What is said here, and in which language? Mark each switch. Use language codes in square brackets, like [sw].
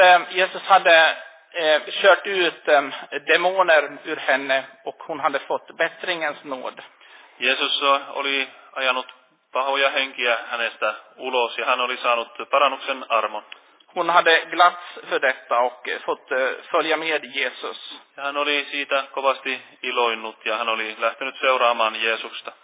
[sv] Jeesus hade kört ut demoner ur henne och hon hade fått bättringens nåd. [fi] Jeesus oli ajanut pahoja henkiä hänestä ulos ja hän oli saanut parannuksen armon. [sv] Hon hade glatts för detta och fått följa med Jeesus. [fi] Ja hän oli siitä kovasti iloinnut ja hän oli lähtenyt seuraamaan Jeesusta.